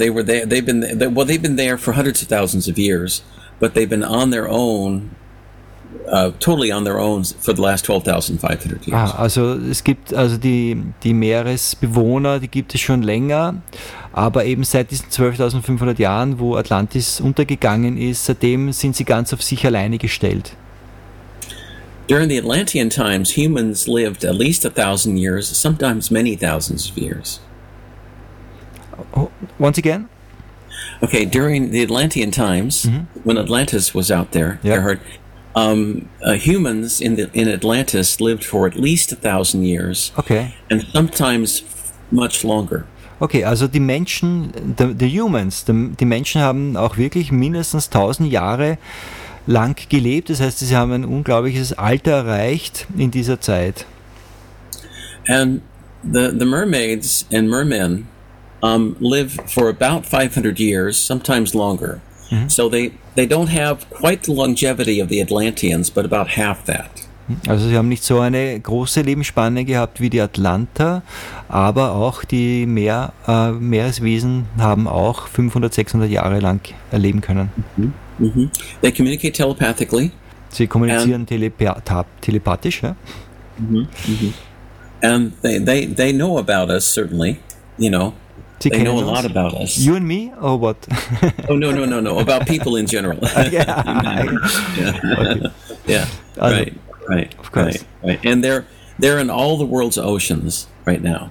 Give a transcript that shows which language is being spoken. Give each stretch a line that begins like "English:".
English: They've been there for hundreds of thousands of years, but they've been on their own, totally on their own for the last 12,500 years.
German: Ah, also es gibt also die Meeresbewohner, die gibt es schon länger, aber eben seit diesen 12,500 Jahren, wo Atlantis untergegangen ist, seitdem sind sie ganz auf sich alleine gestellt.
English: During the Atlantean times, humans lived at least 1,000 years, sometimes many thousands of years. Once again? Okay, during the Atlantean times, mm-hmm. when Atlantis was out there, yep. Gerhard, humans in Atlantis lived for at least 1,000 years. Okay. And sometimes much longer.
German: Okay, also die Menschen, die Menschen haben auch wirklich mindestens 1,000 Jahre lang gelebt, das heißt, sie haben ein unglaubliches Alter erreicht in dieser Zeit.
English: And the mermaids and mermen live for about 500 years, sometimes longer. Mhm. So they don't have quite the longevity of the Atlanteans, but about half that.
German: Also sie haben nicht so eine große Lebensspanne gehabt wie die Atlanter, aber auch die Meereswesen haben auch 500, 600 Jahre lang erleben können. Mhm. Mm-hmm.
English: They communicate telepathically.
German: Sie kommunizieren telepathisch, ja? Mm-hmm. Mm-hmm.
English: And they know about us, certainly, you know.
German: Sie
English: they know
German: uns?
English: A lot about us. You and me, or what? Oh, no, about people in general. Yeah, right. And they're in all the world's oceans right now.